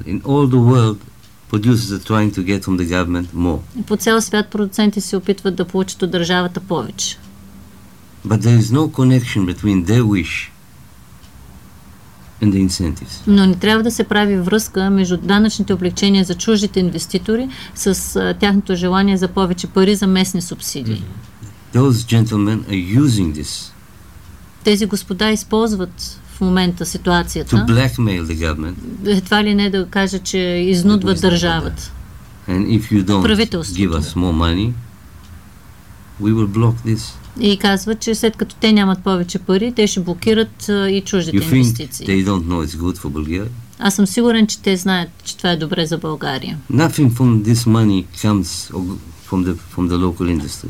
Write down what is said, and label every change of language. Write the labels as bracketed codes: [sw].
[en] In all the world producers are trying to get from the government more. [bg] По цял свят продуценти се опитват да получат от държавата повече. [en] But there is no connection between their wish and the incentives. [bg] Но не трябва да се прави връзка между данъчните облегчения за чуждите инвеститори с тяхното желание за повече пари за местни субсидии. [en] Those gentlemen are using this. [bg] Тези господа използват в момента ситуацията. [en] To blackmail the government. [bg] Това ли не да кажа, че изнудва държавата? [en] And if you don't give us more money, we will block this. [bg] И казва, че след като те нямат повече пари, те ще блокират и чуждите инвестиции. [en] They don't know it's good for Bulgaria. [bg] Аз съм сигурен, че те знаят, че това е добре за България. [en] Nothing from this money comes from the local industry.